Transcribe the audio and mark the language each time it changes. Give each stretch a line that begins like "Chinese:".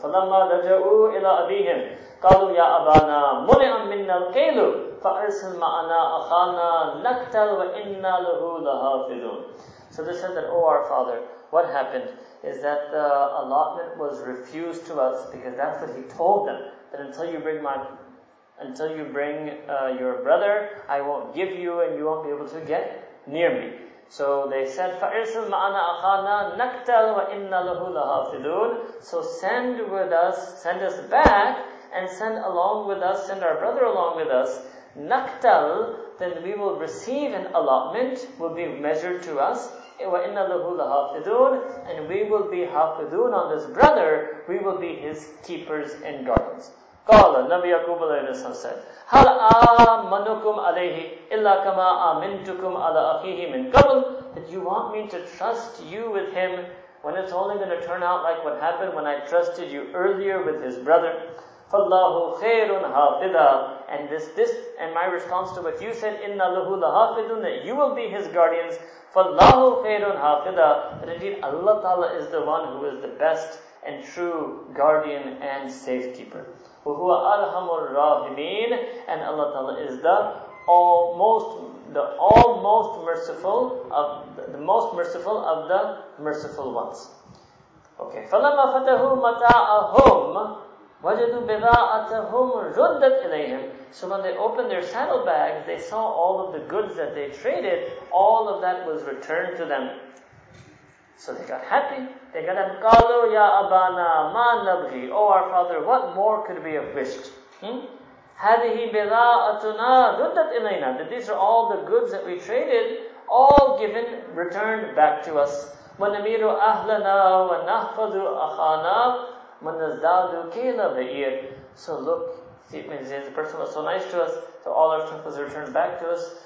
Arabic: فَلَمَّا رَجَعُوا إِلَىٰ أَبِيهِمْ قَالُوا يَا أَبَانَا مُنِعًا مِنَّا الْقَيْلُ فَأَرْسِلْ مَعَنَا أَخَانَا نَكْتَلْ وَإِنَّا لَهُ لَحَافِظُونَ.
English: So they said that, oh our father, what happened is that the allotment was refused to us because that's what he told them, that until you bring your brother, I won't give you and you won't be able to get near me. So they said,
Arabic: فَأَرْسِلْ مَعَنَا أَخَانَا نَكْتَلْ وَإِنَّا لَهُ لَحَافِظُونَ.
English: So send us back and send our brother along with us, naktal, then we will receive an allotment, will be measured to us,
Arabic: وَإِنَّا لَهُ لَحَافِظُونَ,
English: and we will be hafidun on this brother, we will be his keepers and guardians.
Arabic: قَالَ
English: Nabi Yaqub alayhi wasallam said,
Arabic: هَلْ آمَنُكُمْ عَلَيْهِ إِلَّا كَمَا آمِنْتُكُمْ عَلَىٰ أَخِيهِ مِنْ قَبْلِ.
English: That you want me to trust you with him when it's only going to turn out like what happened when I trusted you earlier with his brother.
Arabic: فَاللَّهُ خَيْرٌ حَافِظًا.
English: And this and my response to what you said,
Arabic: إِنَّا لَهُ لَحَافِظُونَ,
English: that you will be his guardians.
Arabic: فَاللَّهُ خَيْرٌ حَافِظًا.
English: But indeed Allah Ta'ala is the one who is the best and true guardian and safekeeper.
Arabic: وَهُوَ أَرْحَمُ الرَّاحِمِينَ.
English: And Allah Ta'ala is the most merciful of the merciful ones.
Arabic: Okay. فَلَمَّا فَتَهُ مَتَاعَهُمْ وَجَدُوا بِضَاعَتَهُمْ رُدَّتْ إِلَيْهِمْ.
English: So when they opened their saddlebags, they saw all of the goods that they traded, all of that was returned to them. So they got happy. They got up,
Arabic: قَالُوا يَا أَبَانَا مَا نَبْغِي.
English: Oh our father, what more could we have wished?
Arabic: هَذِهِ بِضَاعَتُنَا رُدَّتْ إِلَيْنَا.
English: That these are all the goods that we traded, all given, returned back to us.
Arabic: وَنَمِيرُ أَهْلَنَا وَنَحْفَظُ أَخَانَا.
English: So look, the person was so nice to us, so all our stuff was returned back to us.